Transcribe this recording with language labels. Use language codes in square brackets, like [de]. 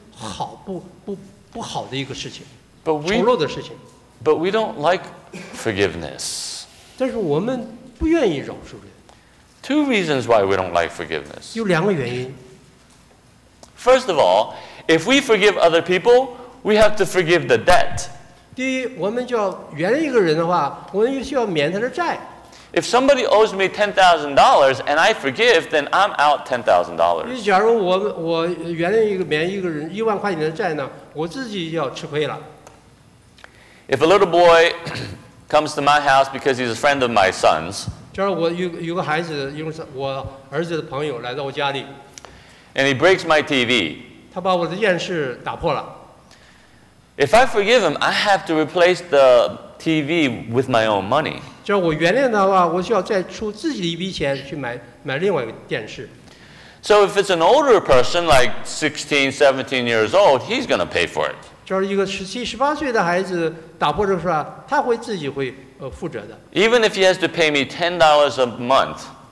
[zh] 好不不不好的一个事情， [en] but we, [zh] 丑陋的事情。 [en] But we don't like forgiveness. [zh] 但是我们不愿意饶恕人。 [en] Two reasons why we don't like forgiveness. [zh] 有两个原因。 [en] First of all, if we forgive other people, we have to forgive the debt. [zh] 第一，我们就要原谅一个人的话，我们需要免他的债。 [en] If somebody owes me $10,000 and I forgive, then I'm out $10,000. [zh] 假如我原谅一个免一个人一万块钱的债呢，我自己就要吃亏了。 [en] If a little boy comes to my house because he's a friend of my son's, [zh] 假如我有个孩子，因为我儿子的朋友来到我家里 [en] ，and he breaks my TV, [zh] 他把我的电视打破了。 [en] If I forgive him, I have to replace the TV with my own money. [zh] 假如我原谅的话，我需要再出自己的一笔钱去买另外一个电视。 [en] So if it's an older person, like 16, 17 years old, he's going to pay for it. [zh] 假如一个17、18岁的孩子打破这个事，他会自己会负责的。 [en] Even if he has to pay me $10 a month.